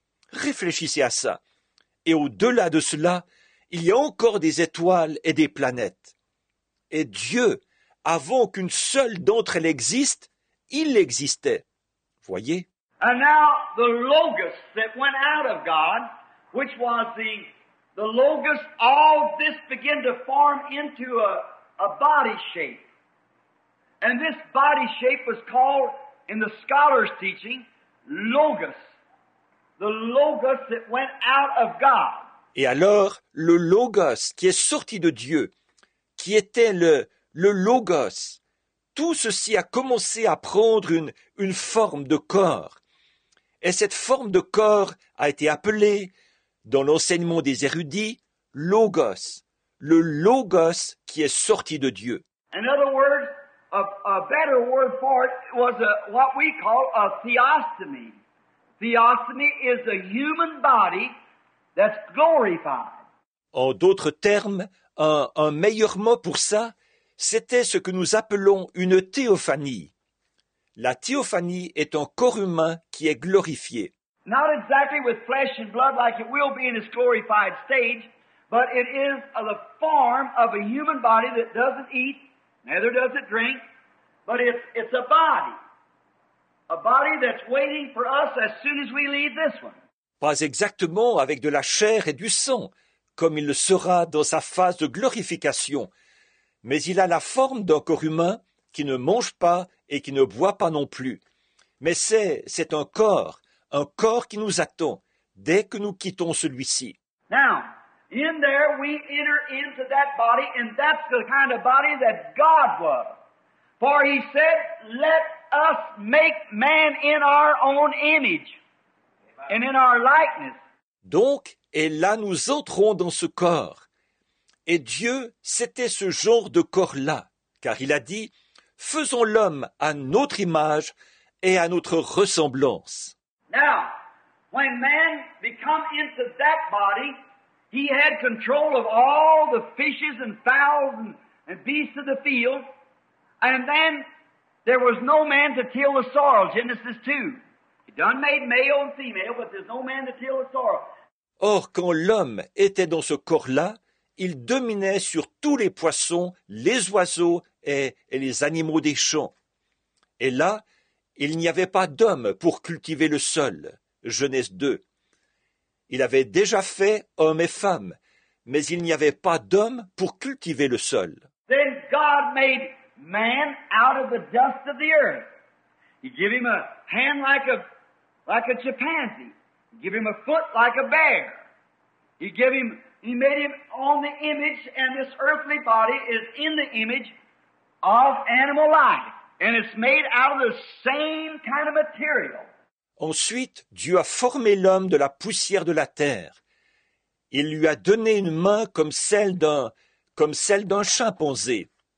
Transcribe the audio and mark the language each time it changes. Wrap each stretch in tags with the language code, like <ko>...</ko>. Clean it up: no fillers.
<fr>Réfléchissez à ça. Et au-delà de cela, il y a encore des étoiles et des planètes. Et Dieu, avant qu'une seule d'entre elles existe, il existait. Voyez.</fr> <en>And now the logos that went out of God, which was the logos, all this began to form into a body shape. And this body shape was called, in the scholar's teaching, logos. The logos that went out of God.</en> <fr>Et alors, le logos qui est sorti de Dieu, qui était le logos, tout ceci a commencé à prendre une forme de corps. Et cette forme de corps a été appelée, dans l'enseignement des érudits, logos, le logos qui est sorti de Dieu.</fr> <en>In other words, a better word for it was what we call a theostomy. Theostomy is a human body that's glorified.</en> <fr>En d'autres termes, un meilleur mot pour ça, c'était ce que nous appelons une théophanie. La théophanie est un corps humain qui est glorifié.</fr> <en>Not exactly with flesh and blood like it will be in its glorified stage, but it is the form of a human body that doesn't eat, neither does it drink, but it's a body. A body that's waiting for us as soon as we leave this one.</en> <fr>Pas exactement avec de la chair et du sang, comme il le sera dans sa phase de glorification, mais il a la forme d'un corps humain qui ne mange pas et qui ne boit pas non plus. Mais c'est un corps qui nous attend dès que nous quittons celui-ci.</fr> <en>Now, in there we enter into that body, and that's the kind of body that God was. For he said, let us make man in our own image, and in our likeness.</en> <fr>Donc, et là nous entrons dans ce corps. Et Dieu, c'était ce genre de corps-là, car il a dit, « Faisons l'homme à notre image et à notre ressemblance. »</fr> <en>Now, when man become into that body, he had control of all the fishes and fowls and beasts of the field, and then there was no man to till the soil, Genesis 2. He done made male and female, but there's no man to till the soil.</en> <fr>Or, quand l'homme était dans ce corps-là, il dominait sur tous les poissons, les oiseaux et les animaux des champs. Et là, il n'y avait pas d'homme pour cultiver le sol, Genèse 2. Il avait déjà fait homme et femme, mais il n'y avait pas d'homme pour cultiver le sol.</fr> <en>Then God made man out of the dust of the earth. He gave him a hand like a chimpanzee. He gave him a foot like a bear. He made him on the image, and this earthly body is in the image of animal life, and it's made out of the same kind of material.</en> <fr>Ensuite, Dieu a formé l'homme de la poussière de la terre. Il lui a donné une main comme celle d'un chimpanzé.</fr>